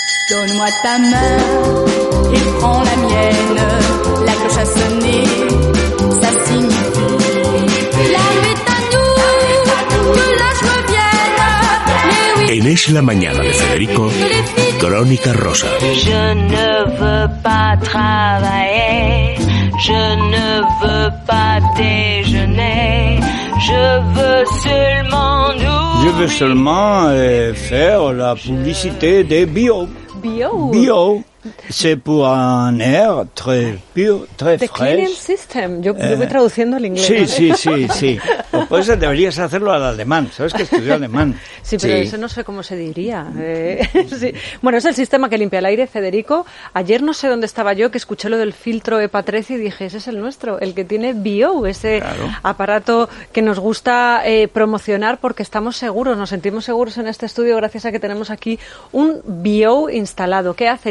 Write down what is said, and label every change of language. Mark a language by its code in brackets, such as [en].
[fr] Donne-moi ta main, il prend la mienne. La cloche a sonné, ça signifie l'arrivée est à nous, que la joie vienne. [es] En Es la mañana de Federico, Crónica Rosa. [fr] Je ne veux pas travailler, je ne veux pas déjeuner, je veux seulement nous. Je veux seulement faire la publicité des bio. Bio. Bio, c'est pour un air très pur, très frais. [en] The cleaning system. [es] Yo voy traduciendo al inglés. Sí, ¿vale? sí. O pues deberías hacerlo al alemán. Sabes que estudió alemán. Sí, pero sí. Eso no sé cómo se diría. Sí. Bueno, es el sistema que limpia el aire, Federico. Ayer no sé dónde estaba yo, que escuché lo del filtro EPA 13 y dije, ese es el nuestro, el que tiene Bio, ese aparato que nos gusta promocionar porque estamos seguros, nos sentimos seguros en este estudio gracias a que tenemos aquí un Bio instalado. ¿Qué hace?